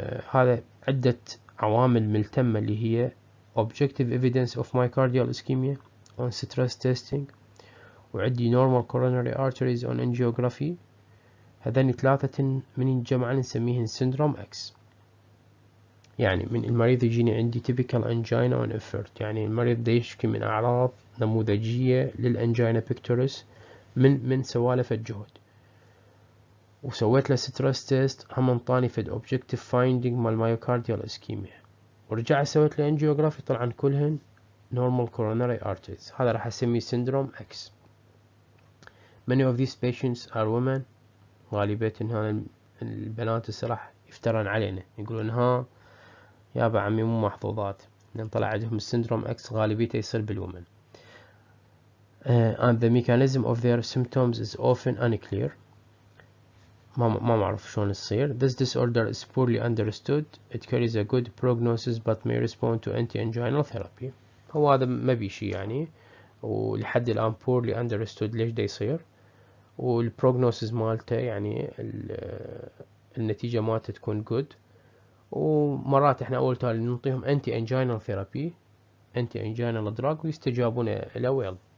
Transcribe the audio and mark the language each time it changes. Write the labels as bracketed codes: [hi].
[ar] هذا عدة عوامل ملتمة اللي هي [en] objective evidence of myocardial ischemia on stress testing، وعدي normal coronary arteries on angiography. [ar] هذان ثلاثة من الجمع نسميهن سيندروم اكس، يعني من المريض يجيني عندي [en] typical angina on effort، [ar] يعني المريض ده يشكي من اعراض نموذجيه للانجينا بيكتوريس من سوالف الجهد، وسويت له ستريس تيست هم انطاني فد اوبجكتيف فايندينج مال مايوكارديال اسكيميا، ورجعت سويت له انجيوغرافي طلع عن كلهن [en] normal coronary arteries. [ar] هذا راح اسميه سيندروم X. [en] many of these patients are women، [ar] غالبيه ان البنات الصراحه يفترن علينا يقولون ها يا ابو عمي مو محظوظات، لان طلع عندهم السندروم اكس غالبيته يصير بالومن. [en] And the mechanism of their symptoms is often unclear. [ar] ما معروف شلون يصير. [en] This disorder is poorly understood. It carries a good prognosis but may respond to anti-angiogenic therapy. [ar] هو هذا ما بيشي يعني، ولحد الان [en] poorly understood [ar] ليش ده يصير، والبروجنوسيس مالته يعني النتيجه مالته تكون good. ومرات احنا اول تالي نعطيهم انتي انجينال ثيرابي، انتي انجينال دراج، ويستجابون الى ويل.